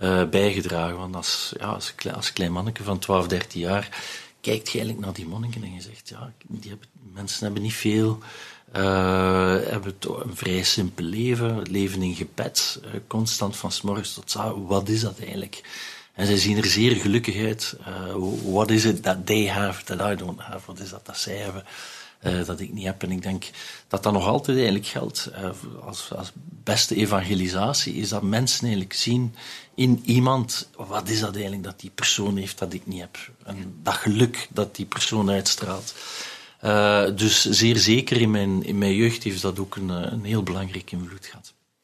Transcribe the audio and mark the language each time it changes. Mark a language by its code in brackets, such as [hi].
[nl] bijgedragen. Want als, ja, als klein manneke van 12, 13 jaar kijkt je eigenlijk naar die monniken en je zegt, ja, die hebben, mensen hebben niet veel, hebben toch een vrij simpel leven, leven in gebed, constant van 's morgens tot 's avonds. Wat is dat eigenlijk? En zij zien er zeer gelukkig uit. [en] What is it that they have that I don't have? [nl] Wat is dat zij hebben dat ik niet heb? En ik denk dat dat nog altijd eigenlijk geldt. Als beste evangelisatie is dat mensen eigenlijk zien in iemand, wat is dat eigenlijk dat die persoon heeft dat ik niet heb? En dat geluk dat die persoon uitstraalt. Dus zeer zeker in mijn jeugd heeft dat ook een heel belangrijk invloed gehad.